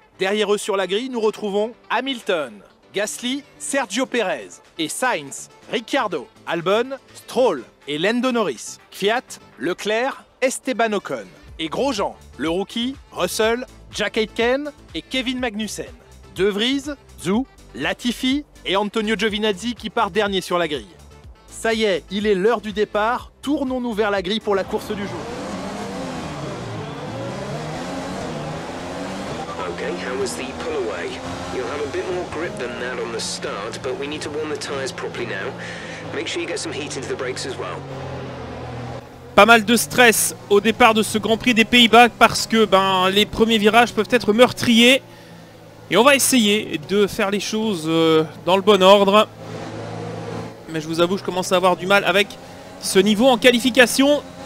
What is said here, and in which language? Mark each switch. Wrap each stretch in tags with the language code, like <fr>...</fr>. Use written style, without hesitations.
<fr>Derrière eux sur la grille, nous retrouvons Hamilton, Gasly, Sergio Perez et Sainz, Ricciardo, Albon, Stroll et Lando Norris, Kvyat, Leclerc, Esteban Ocon et Grosjean, le rookie, Russell, Jack Aitken et Kevin Magnussen, De Vries, Zhou, Latifi et Antonio Giovinazzi qui part dernier sur la grille. Ça y est, il est l'heure du départ, tournons-nous vers la grille pour la course du jour.</fr> <en>Okay, how was the pull away? You'll have a bit more grip than that on the start, but we need to warm the tires properly now. Make sure you get some heat into the brakes as well.</en> <fr>Pas mal de stress au départ de ce Grand Prix des Pays-Bas parce que les premiers virages peuvent être meurtriers. Et on va essayer de faire les choses dans le bon ordre. Mais je vous avoue, je commence à avoir du mal avec ce niveau en qualification.</fr>